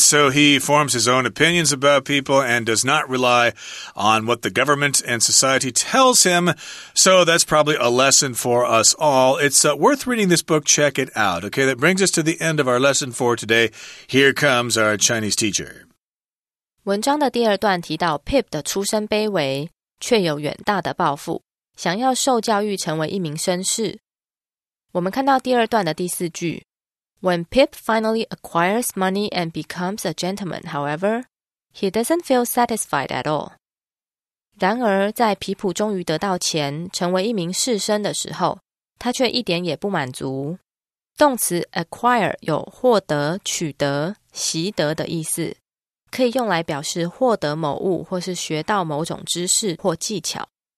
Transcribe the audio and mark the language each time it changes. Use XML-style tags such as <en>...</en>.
<en>So he forms his own opinions about people and does not rely on what the government and society tells him. So that's probably a lesson for us all. It's worth reading this book. Check it out. Okay, that brings us to the end of our lesson for today. Here comes our Chinese teacher.</en> <zh>文章的第二段提到 Pip 的出身卑微，却有远大的抱负，想要受教育成为一名绅士。我们看到第二段的第四句</zh> <en>When Pip finally acquires money and becomes a gentleman, however, he doesn't feel satisfied at all.</en> <zh>然而在皮普终于得到钱成为一名士绅的时候他却一点也不满足。动词 acquire 有获得、取得、习得的意思，可以用来表示获得某物或是学到某种知识或技巧。</zh>